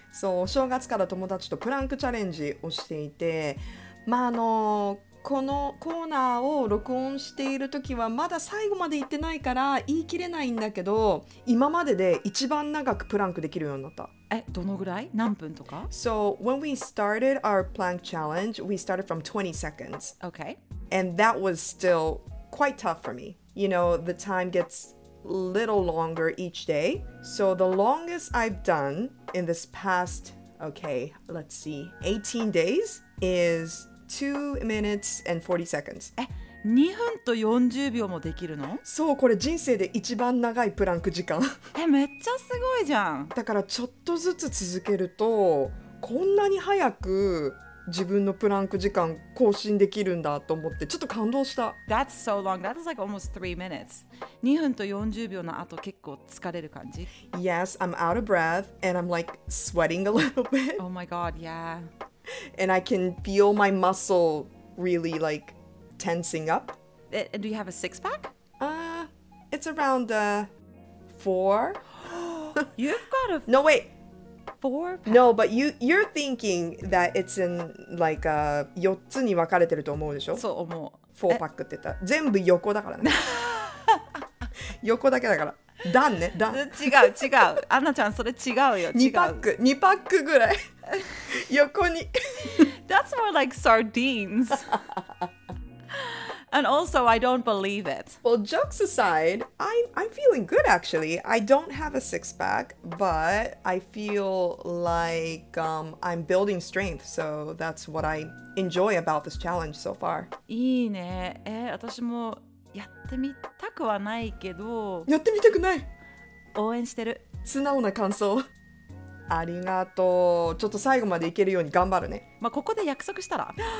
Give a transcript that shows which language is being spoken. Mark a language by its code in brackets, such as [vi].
[ja] そう、お正月から友達とプランクチャレンジをしていて、まああのこのコーナーを録音している時はまだ最後まで行ってないから言い切れないんだけど、今までで一番長くプランクできるようになった。え、どのぐらい？何分とか？ [en] So when we started our plank challenge, we started from 20 seconds. Okay. And that was still quite tough for me. You know, the time gets little longer each day. So the longest I've done in this past, okay, let's see, 18 days is 2 minutes and 40 seconds. [ja] え、2分と40秒もできるの？そう、これ人生で一番長いプランク時間。え、めっちゃすごいじゃん。だからちょっとずつ続けるとこんなに早く自分のプランク時間更新できるんだと思ってちょっと感動した。 [en] That's so long. That's like almost 3 minutes. [ja] 2分と40秒の後結構疲れる感じ。 [en] Yes, I'm out of breath and I'm like sweating a little bit. Oh my god, yeah. And I can feel my muscle really like tensing up. Do you have a six pack? It's around 4. You've got a... No, wait. 4 pack? No, but you're thinking that it's in like [ja] 4つに分かれてると思うでしょ？そう思う。 4パックって言った。全部横だからね。横だけだから。ダンね、ダン。違う。アナちゃん、それ違うよ。違う。 2パックぐらい。横に。 [en] That's more like sardines. And also, I don't believe it. Well, jokes aside, I'm feeling good, actually. I don't have a six-pack, but I feel like I'm building strength. So that's what I enjoy about this challenge so far. [ja] いいね。え、私もやってみたくはないけど。やってみたくない。応援してる。素直な感想。ありがとう。ちょっと最後までいけるように頑張るね。まあ、ここで約束したら